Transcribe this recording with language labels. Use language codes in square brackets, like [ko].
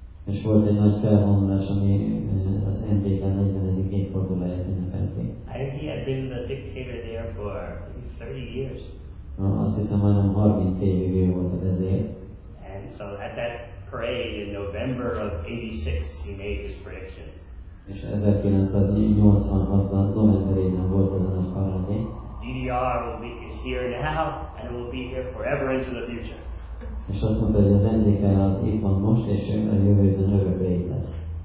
[hu] És volt egy nagy felvonulás, ami az NDK 41. évfordulóját ünnepelte. [en] He had been the dictator there for 30 years. [hu] Azt hiszem, hogy nem 30 évig ő volt a vezér. [en] And so at that parade in November of 86, he made his prediction. [hu] És 1986-ban, novemberében volt azon a parade. [en] DDR will be, is here now, and will be here forever into the future. [hu] És azt mondta, hogy az NDK az itt van most, és a jövőben örökbe így lesz.